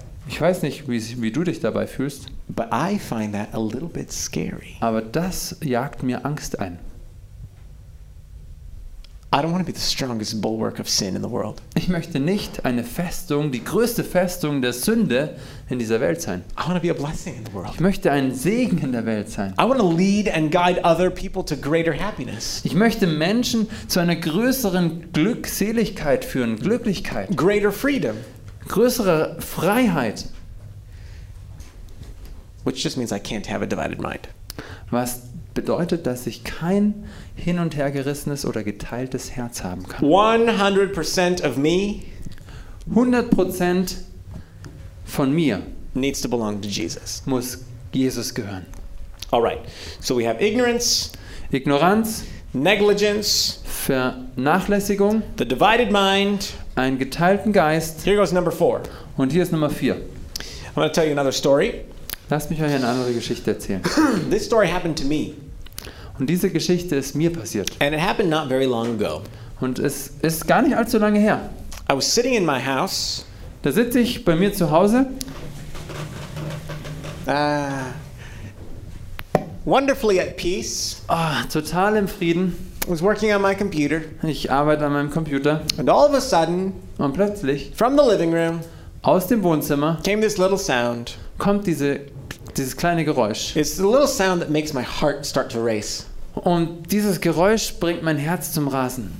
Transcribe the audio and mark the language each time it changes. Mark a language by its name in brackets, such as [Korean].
[German] Ich weiß nicht, wie du dich dabei fühlst. [English] But I find that a little bit scary. [German] Aber das jagt mir Angst ein. [English] I don't want to be the strongest bulwark of sin in the world. [German] Ich möchte nicht eine Festung, die größte Festung der Sünde in dieser Welt sein. [English] I want to be a blessing in the world. [German] Ich möchte ein Segen in der Welt sein. [English] I want to lead and guide other people to greater happiness. [German] Ich möchte Menschen zu einer größeren Glückseligkeit führen, Glücklichkeit. [English] Greater freedom. [German] Größere Freiheit. [English] Which just means I can't have a divided mind. [German] Was bedeutet, dass ich kein hin und her gerissenes oder geteiltes Herz haben kann. [English] 100% of me, [German] 100% von mir [English] needs to belong to Jesus. [German] Muss Jesus gehören. [English] All right. So we have ignorance, [German] Ignoranz, [English] negligence, [German] Vernachlässigung, [English] the divided mind, [German] einen geteilten Geist. [English] Here goes number 4. [German] Und hier ist Nummer 4. [English] I'm going to tell you another story. [German] Lass mich euch eine andere Geschichte erzählen. [English] This story happened to me. [German] Und diese Geschichte ist mir passiert. [English] And it happened not very long ago. [German] Und es ist gar nicht allzu lange her. [English] I was sitting in my house. [German] Da sitze ich bei mir zu Hause. [English] Wonderfully at peace. [German] Oh, total im Frieden. [English] I was working on my computer. [German] Ich arbeite an meinem Computer. [English] And all of a sudden, [German] und plötzlich, [English] from the living room, [German] aus dem Wohnzimmer, [English] came this little sound. [German] Kommt dieses kleine Geräusch. [English] It's a little sound that makes my heart start to race. [German] Und dieses Geräusch bringt mein Herz zum Rasen.